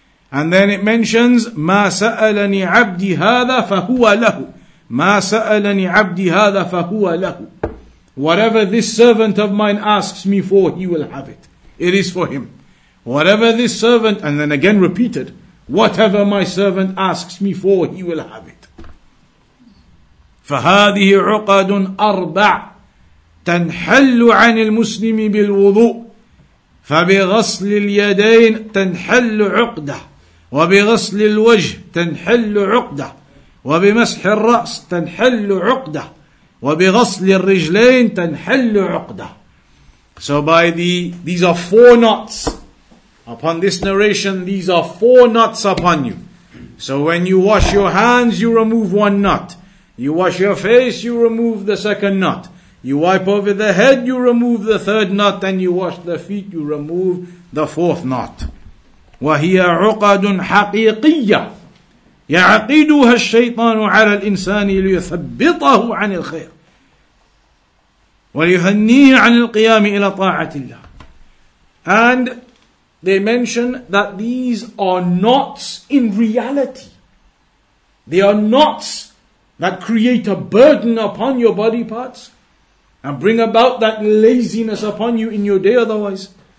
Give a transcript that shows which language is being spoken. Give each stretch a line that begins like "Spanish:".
English: And then it mentions,
Arabic: مَا سَأَلَنِي عَبْدِي هَذَا فَهُوَ لَهُ مَا سَأَلَنِي عَبْدِي هَذَا فَهُوَ لَهُ.
English: Whatever this servant of mine asks me for, he will have it. It is for him. Whatever this servant, and then again repeated, whatever my servant asks me for, he will have it.
Arabic: فَهَذِهِ عُقَدٌ أَرْبَعٌ تَنْحَلُّ عَنِ الْمُسْلِمِ بِالْوُضُوءِ فَبِغَسْلِ الْيَدَيْنِ تَنْحَلُّ عُقْدَةٌ وبغسل الوجه تنحل عقدة وبمسح الرأس تنحل عقدة وبغسل الرجلين تنحل عقدة.
English: So by these are four knots upon this narration. These are four knots upon you. So when you wash your hands, you remove one knot. You wash your face, you remove the second knot. You wipe over the head, you remove the third knot. And you wash the feet, you remove the fourth knot.
Arabic: وهي عقد حقيقية يعقدها الشيطان على الإنسان ليثبطه عن الخير وليهنيه عن القيام إلى طاعة الله.
English: And they mention that these are knots in reality. They are knots that create a burden upon your body parts and bring about that laziness upon you in your day otherwise.